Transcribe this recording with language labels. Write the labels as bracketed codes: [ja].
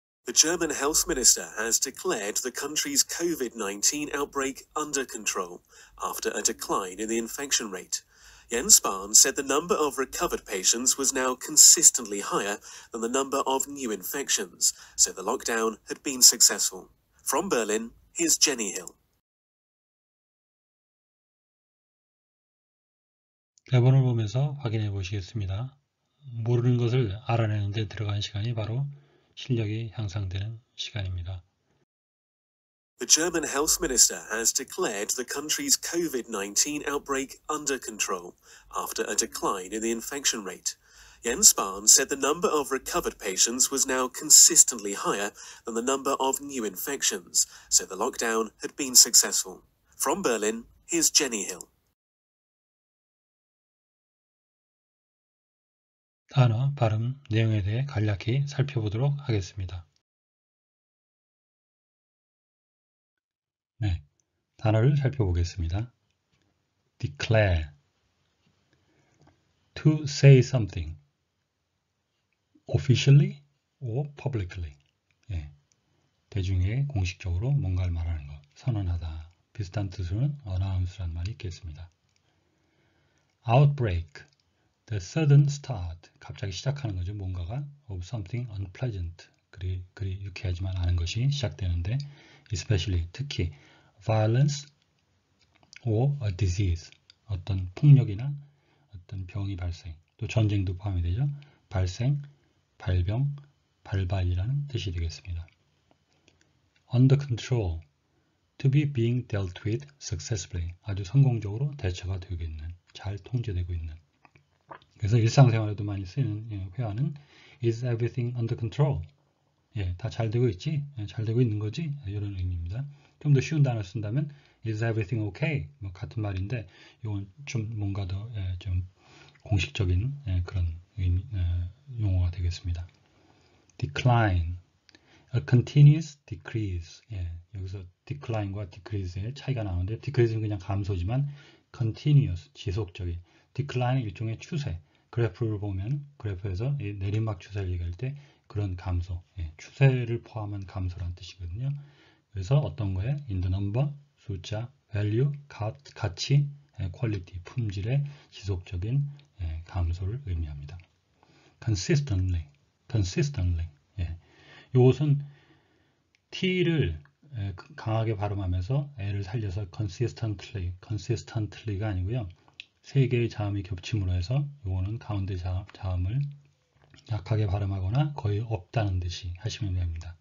[en] The German health minister has declared the country's COVID-19 outbreak under control after a decline in the infection rate. Jens Spahn said the number of recovered patients was now consistently higher than the number of new infections, so the lockdown had been successful. From Berlin, here's Jenny Hill. [ko] 대본을 보면서 확인해 보시겠습니다. 모르는 것을 알아내는 데 들어간 시간이 바로 실력이 향상되는 시간입니다. [en] The German health minister has declared the country's COVID-19 outbreak under control after a decline in the infection rate. Jens Spahn said the number of recovered patients was now consistently higher than the number of new infections, so the lockdown had been successful. From Berlin, here's Jenny Hill. [ko] 단어, 발음, 내용에 대해 간략히 살펴보도록 하겠습니다. 네, 단어를 살펴보겠습니다. [en] Declare. To say something. officially or publicly. [ko] 예. 대중에게 공식적으로 뭔가를 말하는 것, 선언하다. 비슷한 뜻으로는 announce란 말이 있겠습니다. [en] Outbreak. The sudden start. [ko] 갑자기 시작하는 거죠. 뭔가가 [en] of something unpleasant. [ko] 그리 유쾌하지만 않은 것이 시작되는데, [en] especially, [ko] 특히, [en] violence or a disease. [ko] 어떤 폭력이나 어떤 병이 발생. 또 전쟁도 포함이 되죠. 발생. 발병, 발발이라는 뜻이 되겠습니다. [en] Under control, to be being dealt with successfully, [ko] 아주 성공적으로 대처가 되고 있는, 잘 통제되고 있는. 그래서 일상생활에도 많이 쓰이는 회화는 [en] Is everything under control? [ko] 예, 다잘 되고 있지? 예, 잘 되고 있는 거지? 이런 의미입니다. 좀더 쉬운 단어 쓴다면 [en] Is everything okay? [ko] 뭐 같은 말인데 이건 좀 뭔가 더 예, 좀 공식적인 예, 그런 용어가 되겠습니다. [en] Decline, a continuous decrease. [ko] 예, 여기서 decline과 decrease의 차이가 나는데, decrease는 그냥 감소지만 continuous, 지속적인. Decline은 일종의 추세. 그래프를 보면 그래프에서 이 내리막 추세를 얘기할 때 그런 감소, 예, 추세를 포함한 감소란 뜻이거든요. 그래서 어떤 거에 [en] in the number, [ko] 숫자, value, 가치, 예, quality, 품질의 지속적인 예, 감소를 의미합니다. [en] Consistently, consistently. [ko] 예. 이것은 T를 강하게 발음하면서 L을 살려서 consistently, consistently가 아니고요. 세 개의 자음이 겹침으로 해서 요거는 가운데 자음을 약하게 발음하거나 거의 없다는 듯이 하시면 됩니다.